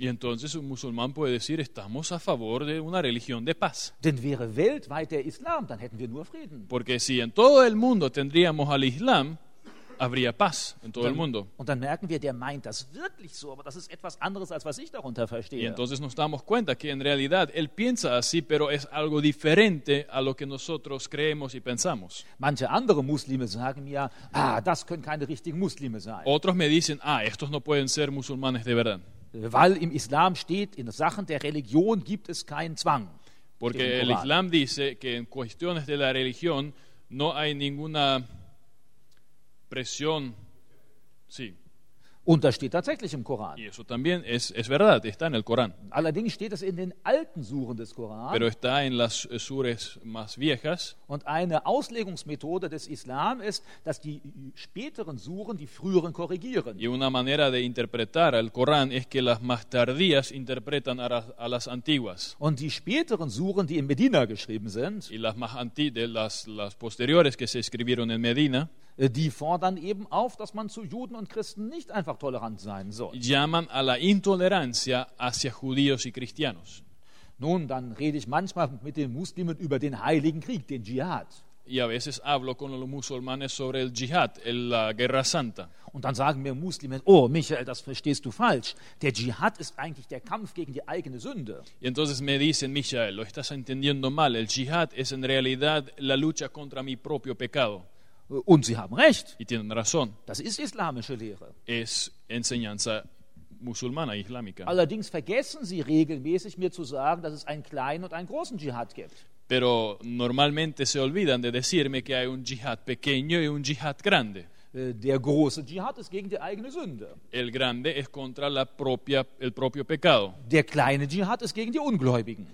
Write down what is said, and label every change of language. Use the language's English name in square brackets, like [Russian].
[Spanish] Y entonces un musulmán puede decir, estamos a favor de una religión de paz. [German] Denn wäre weltweit der Islam, dann hätten wir nur Frieden. [Spanish] Porque si en todo el mundo tendríamos al Islam, habría paz en todo el mundo. [German] Und dann merken wir, der meint das wirklich so, aber das ist etwas anderes, als was ich darunter verstehe. [Spanish] Y entonces nos damos cuenta que en realidad él piensa así, pero es algo diferente a lo que nosotros creemos y pensamos. [German] Manche andere Muslime sagen mir, ah, das können keine richtigen Muslime sein. [Spanish] Otros me dicen, ah, estos no pueden ser musulmanes de verdad. [German] Weil im Islam steht, in Sachen der Religion gibt es keinen Zwang. [Spanish] Porque el Islam dice que en cuestiones de la religión no hay ninguna presión, sí. [German] Und das steht tatsächlich im Koran. [Spanish] Y eso también es verdad, está en el Corán. [German] Allerdings steht es in den alten Suren des Koran. [Spanish] Pero está en las sures más viejas. [German] Und eine Auslegungsmethode des Islam ist, dass die späteren Suren die früheren korrigieren. [Spanish] Y una manera de interpretar al Corán es que las más tardías interpretan a las antiguas. [German] Und die späteren Suren, die in Medina geschrieben sind. [Spanish] Y las más las posteriores que se escribieron en Medina. [German] Die fordern eben auf, dass man zu Juden und Christen nicht einfach tolerant sein soll. [Spanish] Llaman a la intolerancia hacia judíos y cristianos. [German] Nun, dann rede ich manchmal mit den Muslimen über den Heiligen Krieg, den Dschihad. [Spanish] Y a veces hablo con los musulmanes sobre el Dschihad, la Guerra Santa. [German] Und dann sagen mir Muslime, oh Michael, das verstehst du falsch. Der Dschihad ist eigentlich der Kampf gegen die eigene Sünde. [Spanish] Y entonces me dicen, Michael, lo estás entendiendo mal. El Dschihad es en realidad la lucha contra mi propio pecado. [German] Und sie haben recht. [Spanish] Y tienen razón. [German] Das ist islamische Lehre. [Spanish] Es enseñanza musulmana islámica. [German] Allerdings vergessen sie regelmäßig mir zu sagen, dass es einen kleinen und einen großen Dschihad gibt. [Spanish] Pero normalmente se olvidan de decirme que hay un Dschihad pequeño y un Dschihad grande. [German] Der große Dschihad ist gegen die eigene Sünde. [Spanish] El grande es contra la propia, el propio pecado. [German] Der kleine Dschihad ist gegen die Ungläubigen.